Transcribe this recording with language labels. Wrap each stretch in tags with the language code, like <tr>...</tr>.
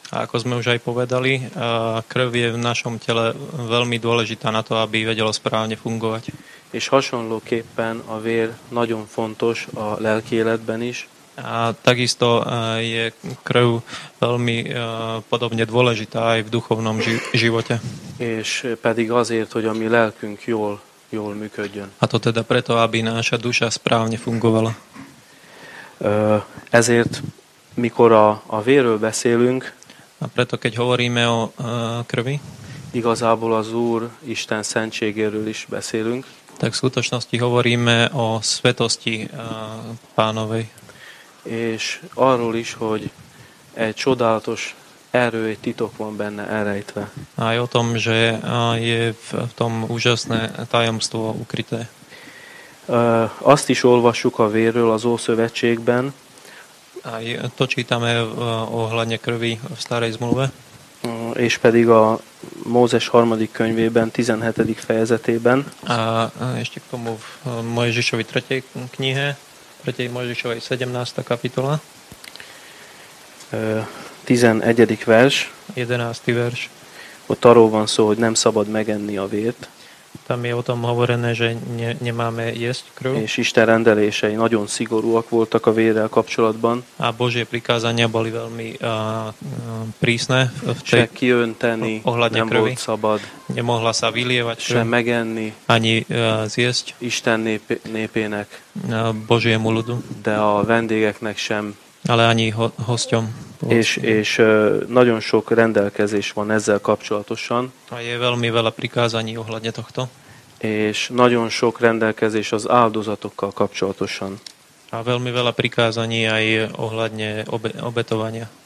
<sk>A ako sme už aj povedali, krv je v našom tele veľmi dôležitá na to, aby vedelo správne fungovať.</sk> <hu>És hasonlóképpen a vér nagyon fontos a lelki életben is.</hu> <sk>A takisto je krv veľmi podobne dôležitá aj v duchovnom živote.</sk> <hu>És pedig azért, hogy a mi lelkünk jól működjön.</hu> <sk>A to teda preto, aby naša duša správne fungovala.</sk> <hu>Ezért, mikor a vérről beszélünk,</hu> <sk>a preto, keď hovoríme o krvi,</sk> <hu>igazából az Úr Isten szentségéről is beszélünk,</hu> <sk>tak v skutočnosti hovoríme o svetosti Pánovej.</sk> <hu>És arról is, hogy egy csodálatos erő, egy titok van benne elrejtve.</hu> <sk>Aj o tom, že je v tom úžasné tajomstvo ukryté.</sk> <hu>Azt is olvassuk a vérről az Ószövetségben.</hu> <sk>Aj to čítame ohľadne krvi v starej zmluve.</sk> <hu>És pedig a Mózes harmadik könyvében, 17. fejezetében.</hu> <sk>A ešte k tomu v Mojžišovi 3. knihe. 3. Mojžišovej 17. kapitola.</sk> <hu>11. vers.</hu> <sk>11. vers.</sk> <hu>Ott arról van szó, hogy nem szabad megenni a vért.</hu> <sk>Tam je o tom hovorené, že nemáme jesť krv.</sk> <hu>És Isten rendelései nagyon szigorúak voltak a vérrel kapcsolatban.</hu> <sk>A Božie prikázania boli veľmi prísne.</sk> <hu>Se kiönteni, nem</hu> <sk>krvi.</sk> <hu>Volt szabad.</hu> <sk>Nemohla sa vylievať krv.</sk> <hu>Se megenni.</hu> <sk>Ani zjesť.</sk> <hu>Isten népének.</hu> <sk>Božiemu ľudu.</sk> <hu>De a vendégeknek sem.</hu> <sk>Ale ani hosťom.</sk> <hu>És nagyon sok rendelkezés van ezzel kapcsolatosan.</hu> <sk>A je veľmi veľa prikázaní ohľadne tohto.</sk> <hu>És nagyon sok rendelkezés az áldozatokkal kapcsolatosan.</hu> <sk>A veľmi veľa prikázaní aj ohľadne obetovania.</sk>